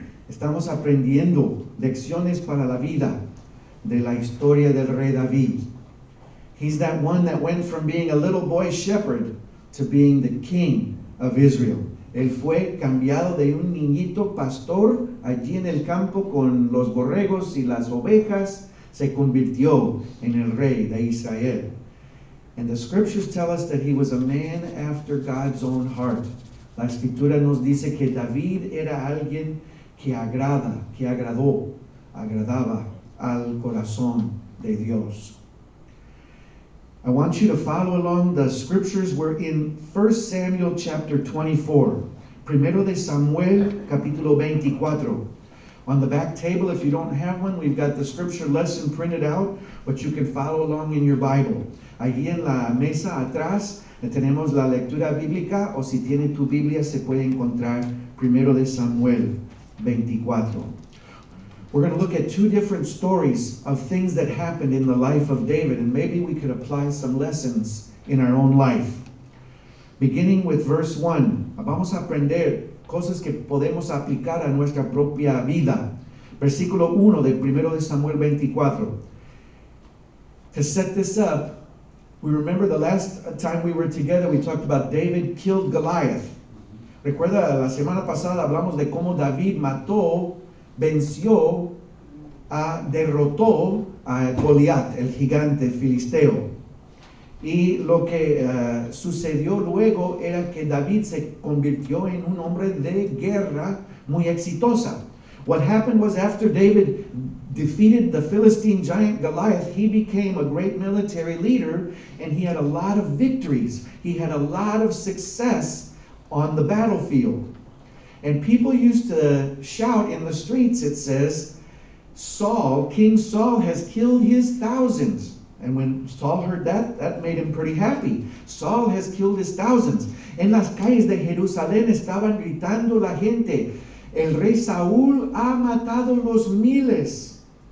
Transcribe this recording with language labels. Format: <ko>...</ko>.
<es>Estamos aprendiendo lecciones para la vida de la historia del rey David.</es> <en>He's that one that went from being a little boy shepherd to being the king of Israel.</en> <es>Él fue cambiado de un niñito pastor allí en el campo con los borregos y las ovejas, se convirtió en el rey de Israel.</es> <en>And the scriptures tell us that he was a man after God's own heart.</en> <es>La escritura nos dice que David era alguien que agradaba al corazón de Dios.</es> <en>I want you to follow along the scriptures. We're in 1 Samuel chapter 24.</en> <es>Primero de Samuel, capítulo 24.</es> <en>On the back table, if you don't have one, we've got the scripture lesson printed out, but you can follow along in your Bible.</en> <es>Allí en la mesa atrás, tenemos la lectura bíblica, o si tiene tu Biblia, se puede encontrar primero de Samuel 24.</es> <en>We're going to look at two different stories of things that happened in the life of David, and maybe we could apply some lessons in our own life. Beginning with verse 1,</en> <es>vamos a aprender cosas que podemos aplicar a nuestra propia vida. Versículo 1 de primero de Samuel 24.</es> <en>To set this up, we remember the last time we were together, we talked about David killed Goliath.</en> <es>Recuerda, la semana pasada hablamos de cómo David mató, venció, derrotó a Goliath, el gigante filisteo. Y lo que sucedió luego era que David se convirtió en un hombre de guerra muy exitosa.</es> <en>What happened was after David defeated the Philistine giant Goliath, he became a great military leader, and he had a lot of victories. He had a lot of success on the battlefield. And people used to shout in the streets, it says, Saul, King Saul has killed his thousands. And when Saul heard that, that made him pretty happy. Saul has killed his thousands.</en> <es>En las calles de Jerusalén estaban gritando la gente, El rey Saúl ha matado los miles.</es>